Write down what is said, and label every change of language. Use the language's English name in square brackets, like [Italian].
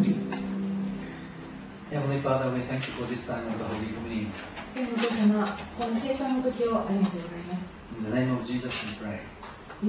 [English] Father, we thank you for this time of the Holy Communion. [Japanese] 天のお父様、この聖餐の時をありがとうございます。 [English] In the name of Jesus, we pray.